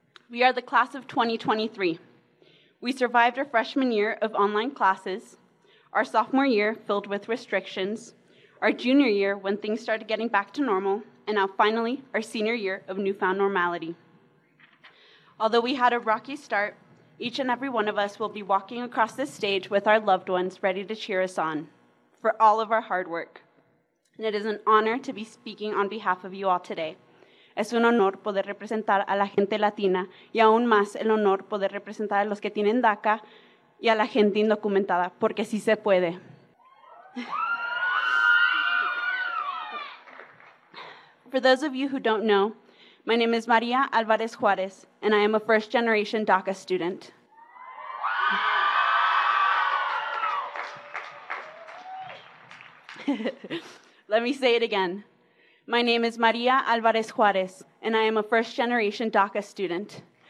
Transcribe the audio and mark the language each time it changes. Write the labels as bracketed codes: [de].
[en] We are the class of 2023. We survived our freshman year of online classes, our sophomore year filled with restrictions, our junior year when things started getting back to normal, and now finally, our senior year of newfound normality. Although we had a rocky start, each and every one of us will be walking across this stage with our loved ones ready to cheer us on for all of our hard work. And it is an honor to be speaking on behalf of you all today. [es] Es un honor poder representar a la gente latina y aún más el honor poder representar a los que tienen DACA y a la gente indocumentada, porque sí se puede. [en] For those of you who don't know, my name is Maria Alvarez Juarez, and I am a first-generation DACA student. Let me say it again. My name is Maria Alvarez Juarez, and I am a first-generation DACA student.